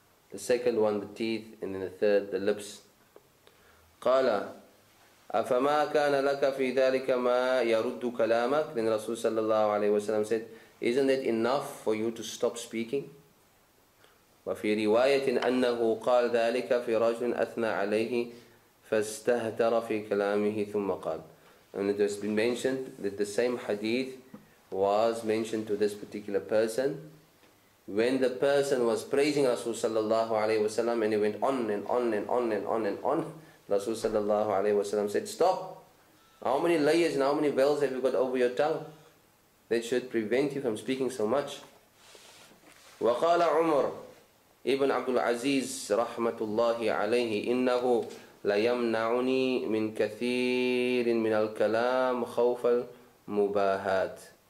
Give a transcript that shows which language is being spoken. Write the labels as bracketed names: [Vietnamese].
[English] the second one the teeth, and then the third the lips. [Arabic] Qala, afama kana laka fi dhalika ma yaruddu kalamak. [English] Then Rasul sallallahu alayhi wasallam said, isn't it enough for you to stop speaking? [Arabic] وفي رواية أنه قال ذلك في رجل أثنى عليه فاستهتر في كلامه ثم قال. [English] And it has been mentioned that the same hadith was mentioned to this particular person when the person was praising Rasul sallallahu alayhi wasallam, and he went on and on and on and on and on. Rasul sallallahu alayhi wasallam said, stop! How many layers and how many veils have you got over your tongue that should prevent you from speaking so much? [Arabic] وقال عمر ابن عبد العزيز رحمة الله عليه إنه ليمنعني من كثير من الكلام خوف المباهات.